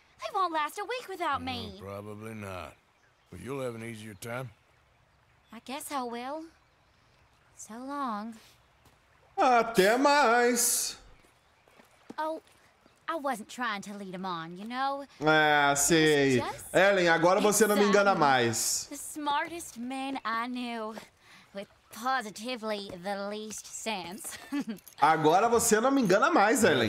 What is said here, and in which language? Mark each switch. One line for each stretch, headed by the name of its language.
English: They won't last a week without me. Probably not. But you'll have an easier time. I guess I will. So long.
Portuguese: Até mais.
English: Oh, I wasn't trying to lead them on, you know?
Portuguese: Ah, sei. Ellen, agora você não me engana mais.
English: The smartest man I knew. Positively the least sense.
Portuguese: Agora você não me engana mais, Ellen.